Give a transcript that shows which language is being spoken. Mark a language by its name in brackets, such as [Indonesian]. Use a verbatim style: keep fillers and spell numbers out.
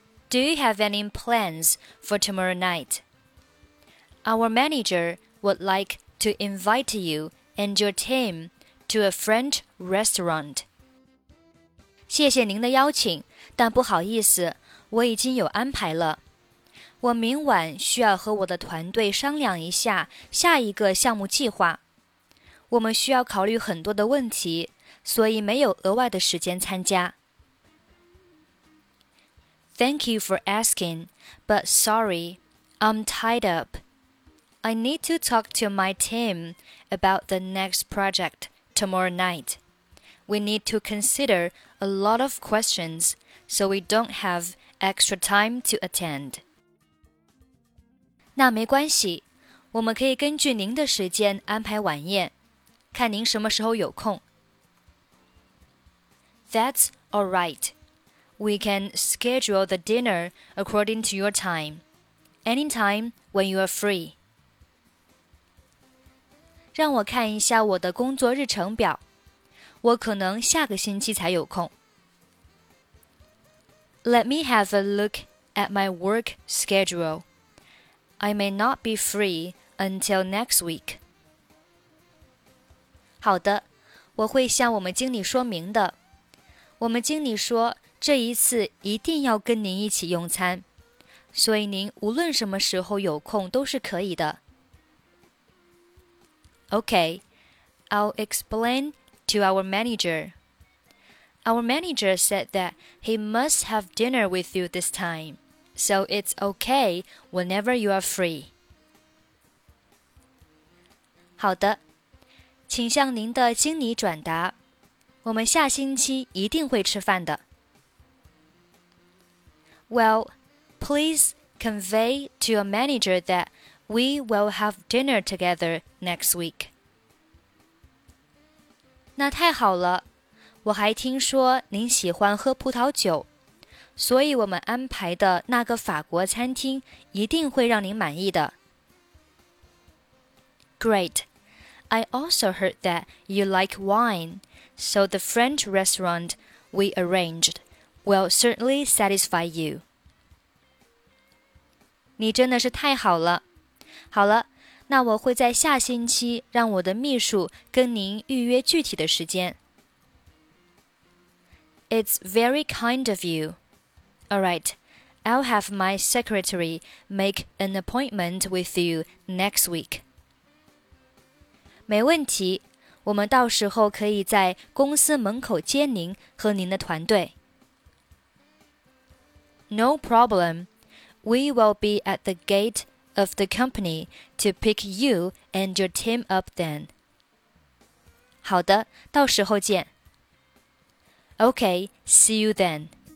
[English] Do you have any plans for tomorrow night? Our manager would like to invite you and your team to a French restaurant. [Chinese] 谢谢您的邀请，但不好意思，我已经有安排了。我明晚需要和我的团队商量一下下一个项目计划。我们需要考虑很多的问题，所以没有额外的时间参加。 [English] Thank you for asking, but sorry, I'm tied up. I need to talk to my team about the next project tomorrow night. We need to consider a lot of questions, so we don't have extra time to attend. [Chinese] 那没关系，我们可以根据您的时间安排晚宴，看您什么时候有空。 [English] That's all right. We can schedule the dinner according to your time. Anytime when you are free. [Chinese] 让我看一下我的工作日程表，我可能下个星期才有空。 [English] Let me have a look at my work schedule. I may not be free until next week. [Chinese] 好的，我会向我们经理说明的。我们经理说，这一次一定要跟您一起用餐，所以您无论什么时候有空都是可以的。 [English] Okay, I'll explain to our manager. Our manager said that he must have dinner with you this time. So it's okay whenever you are free. [Chinese] 好的，请向您的经理转达，我们下星期一定会吃饭的。 [English] Well, please convey to your manager that we will have dinner together next week. [Chinese] 那太好了，我还听说您喜欢喝葡萄酒。所以我们安排的那个法国餐厅一定会让您满意的。 [English] Great. I also heard that you like wine, so the French restaurant we arranged will certainly satisfy you. [Chinese] 你真的是太好了。好了，那我会在下星期让我的秘书跟您预约具体的时间。 [English] It's very kind of you. All right, I'll have my secretary make an appointment with you next week. [Chinese] 没问题，我们到时候可以在公司门口接您和您的团队。 [English] No problem. We will be at the gate of the company to pick you and your team up then. [Chinese] 好的，到时候见。 [English] Okay, see you then.